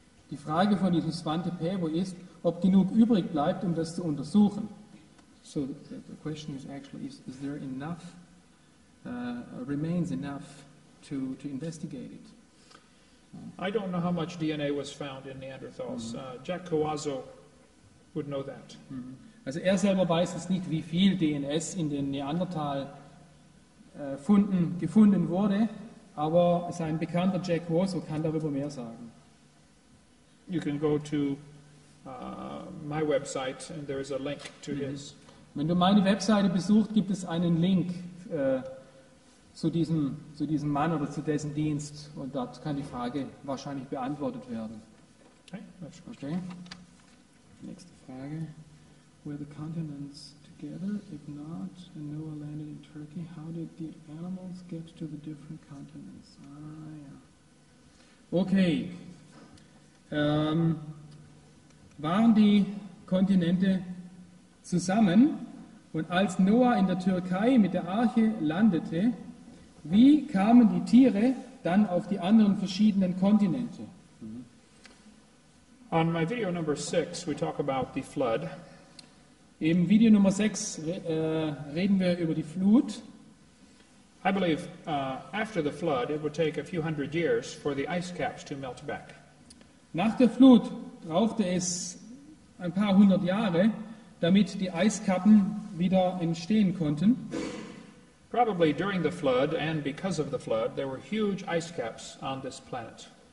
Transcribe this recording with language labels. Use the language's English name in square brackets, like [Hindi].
[German] Die Frage von diesem Svante Pabu ist, ob genug übrig bleibt, um das zu untersuchen. [English] So the question is actually, is there enough, remains enough to investigate it? I don't know how much DNA was found in Neanderthals. Mm-hmm. Jack Coazzo would know that. Mm-hmm. [German] Also er selber weiß es nicht, wie viel DNS in den Neandertal gefunden wurde, aber sein Bekannter Jack Coazzo kann darüber mehr sagen. [English] You can go to my website and there is a link to mm-hmm. his. [German] Wenn du meine Webseite besuchst, gibt es einen Link zu diesem Mann oder zu dessen Dienst, und dort kann die Frage wahrscheinlich beantwortet werden. Okay. Nächste Frage. [English] Were the continents together? If not, and Noah landed in Turkey, how did the animals get to the different continents? Okay. [German] Waren die Kontinente zusammen? Und als Noah in der Türkei mit der Arche landete, wie kamen die Tiere dann auf die anderen verschiedenen Kontinente? [English] On my video number 6, we talk about the flood. [German] Im Video Nummer 6 reden wir über die Flut. [English] I believe after the flood, it would take a few hundred years for the ice caps to melt back. [German] Nach der Flut brauchte es ein paar hundert Jahre, damit die Eiskappen wieder entstehen konnten. [English] Probably during the flood and because of the flood, there were huge ice caps on this planet.